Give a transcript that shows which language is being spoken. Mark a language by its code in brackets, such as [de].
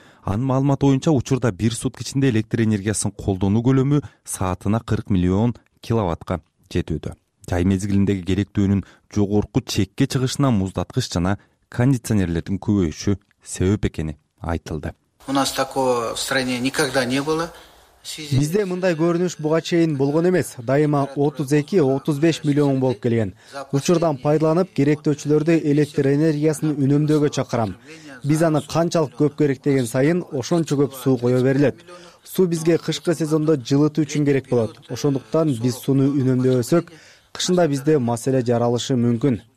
[ky] Анын маалыматы боюнча учурда бир сутка ичинде электр энергиясын колдонуу көлөмү саатына 40 миллион киловаттка жетүүдө. Жай мезгилиндеги керектөөнүн жогорку чекке чыгышына муздаткыч жана кондиционерлердин көбөйүшү себеп экени айтылды. [ru] У нас такого в стране никогда не было. [ky] Бизде мындай көрүнүш буга чейин болгон эмес. Дайыма 32-35 миллион болуп келген. Учурдан пайдаланып, керектөөчүлөрдү электр энергиясын үнөмдөөгө чакырам. Биз аны канчалык көп керек деген сайын ошончо көп суу кое берилет. Суу бизге кышкы сезондо жылытуу үчүн керек болот. Ошондуктан биз сууну үнөмдөбөсөк, кышында бизде маселе жаралышы мүмкүн.